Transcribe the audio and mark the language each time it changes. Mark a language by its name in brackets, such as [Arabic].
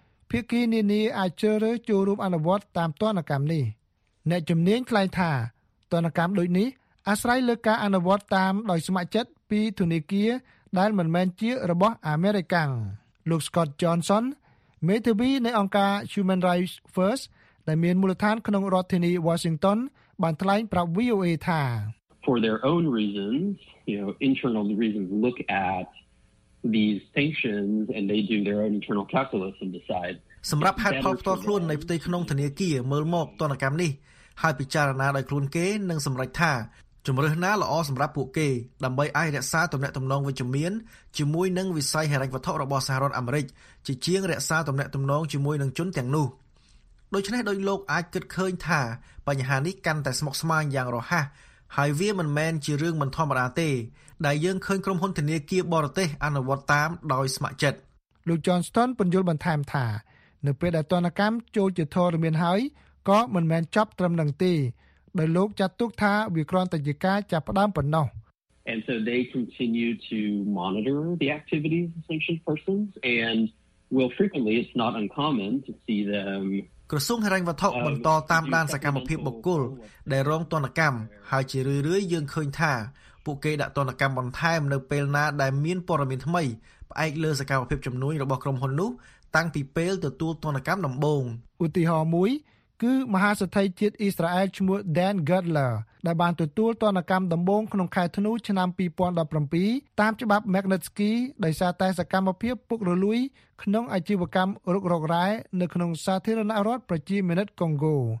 [Khmer] ភាគីនានាអាចជ្រើសរើសចូលរួមអនុវត្តតាមទណ្ឌកម្មនេះអ្នកជំនាញថ្លែងថាទណ្ឌកម្មដូចនេះអាស្រ័យលើការអនុវត្តតាមដោយស្ម័គ្រចិត្តពីធនាគារដែលមិនមែនជារបស់អាមេរិកាំងលោក Scott Johnson មេធាវីនៃអង្គការ Human Rights First ដែលមានមូលដ្ឋានក្នុងរដ្ឋធានី Washington បានថ្លែងប្រាប់ VOA ថា [English] For their own reasons, you know, internal reasons look at these sanctions and they do their own internal calculus and decide [Khmer] សម្រាប់ហេតុផលផ្ទាល់ខ្លួននៃផ្ទៃក្នុងធនាគារមើលមកទណ្ឌកម្មនេះហើយពិចារណាដោយខ្លួនគេនិងសម្រេចថាជំរើសណាល្អសម្រាប់ពួកគេដើម្បីអាចរក្សាទំនាក់ទំនងវិជ្ជមានជាមួយនឹងវិស័យហិរញ្ញវត្ថុរបស់សហរដ្ឋអាមេរិកជាជាងរក្សាទំនាក់ទំនងជាមួយនឹងជនទាំងនោះដូច្នេះដោយលោកអាចគិតឃើញថាបញ្ហានេះកាន់តែស្មុគស្មាញយ៉ាងរហ័សហើយវាមិនមែនជារឿងមិនធម្មតាទេដែលយើងឃើញក្រុមហ៊ុនធនាគារបរទេសអនុវត្តតាមដោយស្ម័គ្រចិត្ត លោក Johnston ពន្យល់បន្ថែមថានៅពេលដែលទណ្ឌកម្មចូលជាធរមានហើយក៏មិនមែនចប់ត្រឹមនឹងទេដោយលោកចាត់ទុកថាវាគ្រាន់តែជាការចាប់ផ្ដើមប៉ុណ្ណោះ [English] And so they continue to monitor the activities of sanctioned persons and will frequently it's not uncommon to see them [Khmer] ក្រសួងហិរញ្ញវត្ថុបន្តតាមដានសកម្មភាពបុគ្គលដែលរងទណ្ឌកម្មហើយជារឿយៗយើងឃើញថាពួកគេដាក់ទណ្ឌកម្មបន្ថែមនៅពេលណាដែលមានព័ត៌មានថ្មីផ្អែកលើសកម្មភាពជំនួយរបស់ក្រុមហ៊ុននោះតាំងពីពេលទទួលទណ្ឌកម្មដំបូង ឧទាហរណ៍មួយគឺមហាសេដ្ឋីជាតិអ៊ីស្រាអែលឈ្មោះ Dan Gertler ដែលបានទទួលទណ្ឌកម្មដំបូងក្នុងខែធ្នូឆ្នាំ2017តាមច្បាប់ Magnitsky ដោយសារតែសកម្មភាពពុករលួយក្នុងអាជីវកម្មរុករករ៉ែនៅក្នុងសាធារណរដ្ឋប្រជាមានិតកុងហ្គោ